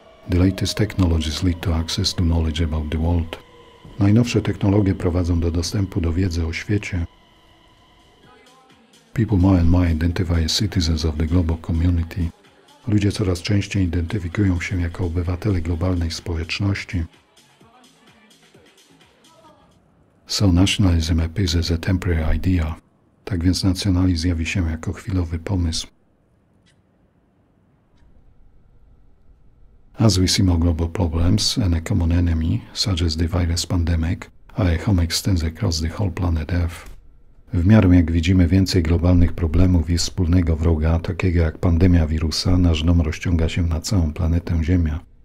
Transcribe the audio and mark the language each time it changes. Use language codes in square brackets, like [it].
[en] The latest technologies lead to access to knowledge about the world. [pl] Najnowsze technologie prowadzą do dostępu do wiedzy o świecie. [en] People more and more identify as citizens of the global community. [pl] Ludzie coraz częściej identyfikują się jako obywatele globalnej społeczności. [en] So nationalism appears as a temporary idea. [pl] Tak więc nacjonalizm zjawi się jako chwilowy pomysł. [en] As we see more global problems and a common enemy, such as the virus pandemic, our home extends across the whole planet Earth. [pl] W miarę jak widzimy więcej globalnych problemów i wspólnego wroga, takiego jak pandemia wirusa, nasz dom rozciąga się na całą planetę Ziemia.